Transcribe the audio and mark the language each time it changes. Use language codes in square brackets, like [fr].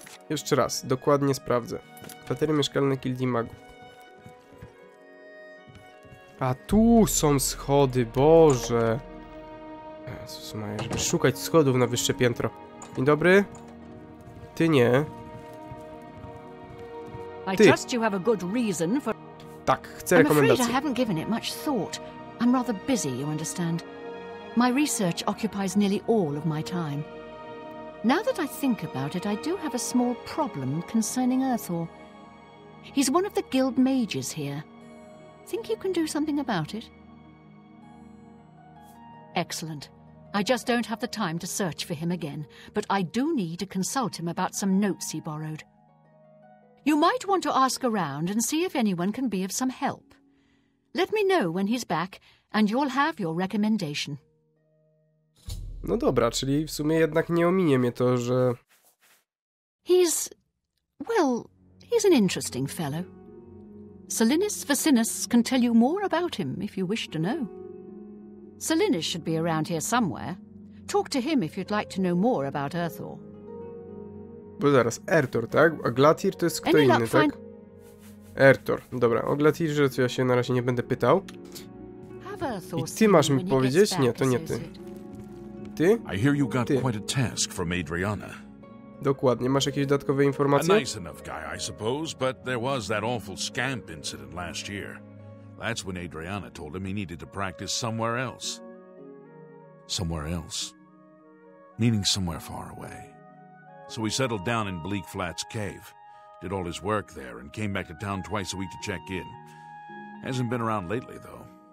[pl] Jeszcze raz, dokładnie sprawdzę. Kwatery mieszkalne gildii magów. A tu są schody, Boże. Jezus, mają, żeby szukać schodów na wyższe piętro. Dzień dobry. Ty nie. Ty. [en] I trust you have a good reason for... [pl] Tak, chcę rekomendacji. [en] I haven't given it much thought. I'm rather busy, you understand. My research occupies nearly all of my time. Now that I think about it, I do have a small problem concerning Erthor. He's one of the guild mages here. Think you can do something about it? Excellent. I just don't have the time to search for him again, but I do need to consult him about some notes he borrowed. You might want to ask around and see if anyone can be of some help. Let me know when he's back and you'll have your recommendation. [pl] No dobra, czyli w sumie jednak nie ominie mnie to, że... [en] He's an interesting fellow. Salinus Vicinus can tell you more about him if you wish to know. Salinus should be around here somewhere. Talk to him if you'd like to know more about Erthor. [pl] Bo zaraz, Erthor, tak? A Glatir to jest kto inny, tak? Erthor. Dobra, o Glatirze to ja się na razie nie będę pytał. I ty masz mi powiedzieć? Nie, to nie ty. Ty? [en] I hear you got quite a task from Adriana. [pl] Dokładnie, masz jakieś dodatkowe informacje? [en] A nice enough guy, I suppose, but there was that awful scamp incident last year. That's when Adriana told him he needed to practice somewhere else. Somewhere else. Meaning somewhere far away. So he settled down in Bleak Flats Cave, did all his work there, and came back to town twice a week to check in. Hasn't been around lately, though.